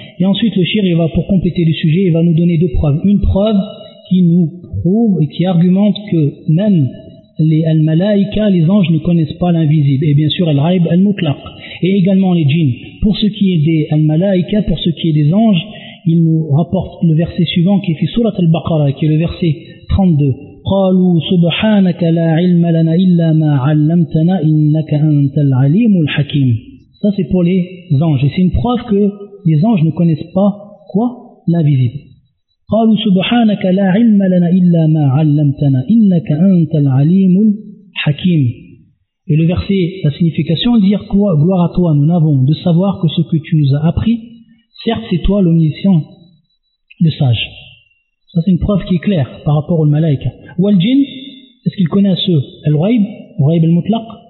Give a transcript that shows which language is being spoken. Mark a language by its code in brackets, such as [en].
[fr] Et ensuite le shir, il va, pour compléter le sujet, il va nous donner deux preuves. Une preuve qui nous prouve et qui argumente que même les al-malaïka, les anges, ne connaissent pas l'invisible, et bien sûr al-raïb al-mutlaq, et également les djinns. Pour ce qui est des al-malaïka, pour ce qui est des anges, il nous rapporte le verset suivant qui est fait surat al-Baqarah, qui est le verset 32. [ar] قالوا سبحانك لا علم لنا إلا ما علمتنا إنك أنت العليم الحكيم. [fr] Ça c'est pour les anges, et c'est une preuve que les anges ne connaissent pas quoi? L'invisible. [ar] قالوا سبحانك لا علم لنا إلا ما علمتنا إنك أنت العليم الحكيم. [fr] Et le verset, la signification, dire quoi? Gloire à toi, nous n'avons de savoir que ce que tu nous as appris. Certes, c'est toi l'omniscient, le sage. Ça, c'est une preuve qui est claire par rapport au malaïka. Ou al-djinn, est-ce qu'il connaît ce al-ghaib, al-ghaib al-mutlaq?